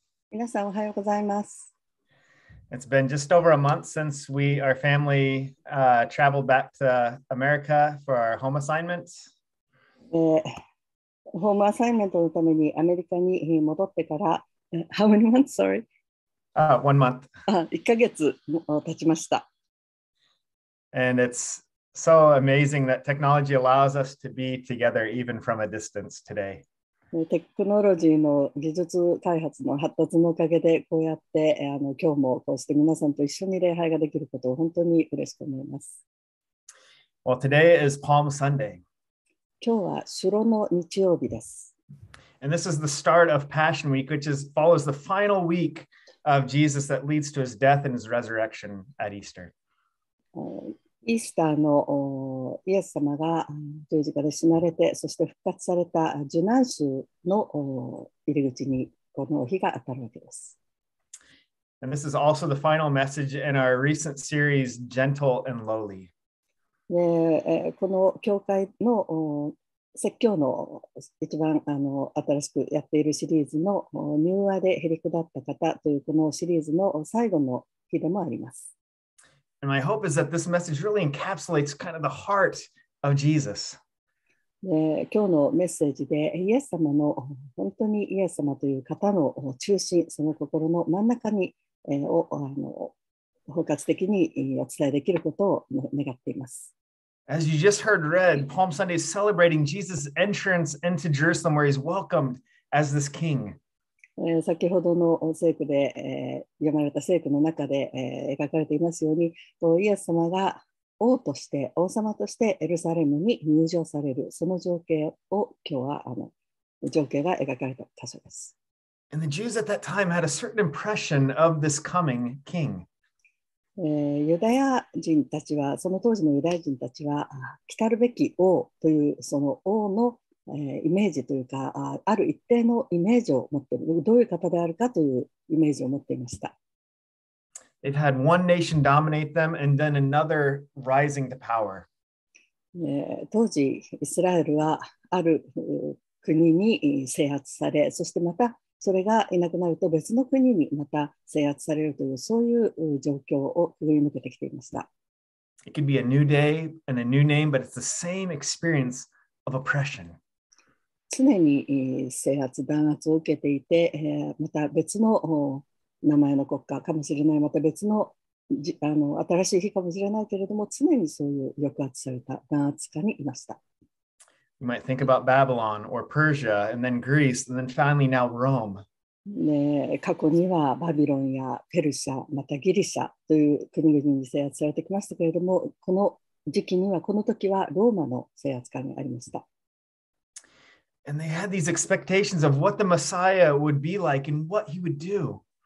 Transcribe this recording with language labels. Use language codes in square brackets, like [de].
[ja] 皆さん、おはようございます。 [en] It's been just over a month since we, our family, traveled back to America for our home assignment. [ja] Home assignment のためにアメリカに戻ってから、 [en] how many months, sorry? 1 month. [ja] 1ヶ月経ちました。 [en] And it's so amazing that technology allows us to be together even from a distance today. [ja] テクノロジーの技術開発の発達のおかげでこうやって今日もこうして皆さんと一緒に礼拝ができることを本当に嬉しく思います。 [en] Well, today is Palm Sunday. [ja] 今日は主労の日曜日です。 [en] And this is the start of Passion Week, which is, follows the final week of Jesus that leads to his death and his resurrection at Easter. [ja] イースターのイエス様が十字架で死なれて、そして復活された受難週の入り口にこの日が当たるわけです。 [en] And this is also the final message in our recent series, Gentle and Lowly. [ja] この教会の説教の一番新しくやっているシリーズの柔和でへりくだった方というこのシリーズの最後の日でもあります。 [en] And my hope is that this message really encapsulates kind of the heart of Jesus. [ja] 今日のメッセージでイエス様の本当にイエス様という方の中心、その心の真ん中に、を包括的にお伝えできることを願っています。 [en] As you just heard read, Palm Sunday is celebrating Jesus' entrance into Jerusalem where he's welcomed as this king. [ja] 先ほどの聖句で、読まれた聖句の中で、描かれていますように、イエス様が王として、王様としてエルサレムに入場される、その情景を今日は情景が描かれた箇所です。 [en] And the Jews at that time had a certain impression of this coming king. [ja] ユダヤ人たちは、その当時のユダヤ人たちは、来たるべき王というその王のイメージというか、ある一定のイメージを持っている、どういう方であるかというイメージを持っていました。 [en] They've had one nation dominate them and then another rising to power. [ja] 当時、イスラエルはある国に制圧され、そしてまたそれがいなくなると別の国にまた制圧されるという、そういう状況を振り向けてきていました。 [en] It could be a new day and a new name, but it's the same experience of oppression. [ja] 常に制圧弾圧を受けていて、また別の名前の国家かもしれない、また別の新しい日かもしれないけれども、常にそういう抑圧された弾圧下にいました。 [en] You might think about Babylon or Persia, and then Greece, and then finally now Rome. [ja] 過去にはバビロンやペルシャ、またギリシャという国々に制圧されてきましたけれども、この時期にはこの時はローマの制圧下にありました。 [en] And they had these expectations of what the Messiah would be like and what he would do.